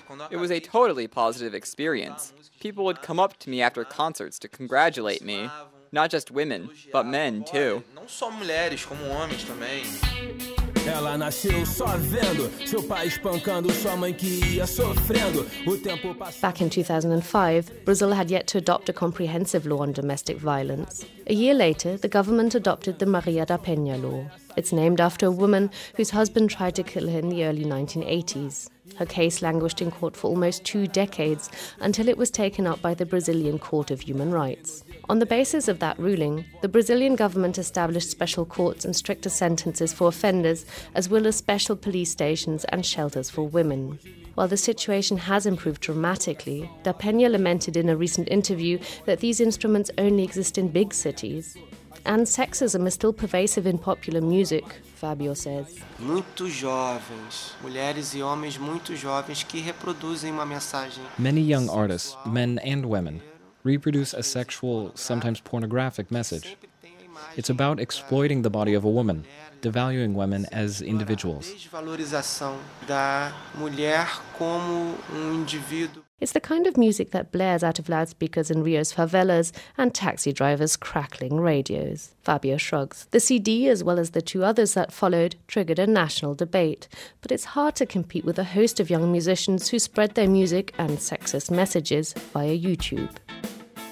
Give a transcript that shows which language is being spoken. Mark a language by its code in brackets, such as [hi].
[en] It was a totally positive experience. People would come up to me after concerts to congratulate me. Not just women, but men, too. [pt] Não só mulheres, como homens também. Ela nasceu só vendo seu pai espancando sua mãe que ia sofrendo. O tempo passou. [en] Back in 2005, Brazil had yet to adopt a comprehensive law on domestic violence. A year later, the government adopted the Maria da Penha law. It's named after a woman whose husband tried to kill her in the early 1980s. Her case languished in court for almost 2 decades until it was taken up by the Brazilian Court of Human Rights. On the basis of that ruling, the Brazilian government established special courts and stricter sentences for offenders, as well as special police stations and shelters for women. While the situation has improved dramatically, Da Penha lamented in a recent interview that these instruments only exist in big cities. And sexism is still pervasive in popular music, Fabio says. [pt] Muito jovens, mulheres e homens muito jovens que reproduzem uma mensagem. [en] Many young artists, men and women, reproduce a sexual, sometimes pornographic message. It's about exploiting the body of a woman, devaluing women as individuals. [pt] Desvalorização da mulher como indivíduo. [en] It's the kind of music that blares out of loudspeakers in Rio's favelas and taxi drivers' crackling radios. Fabio shrugs. The CD, as well as the 2 others that followed, triggered a national debate. But it's hard to compete with a host of young musicians who spread their music and sexist messages via YouTube. This is Naomi Conrad for DW in Rio de Janeiro.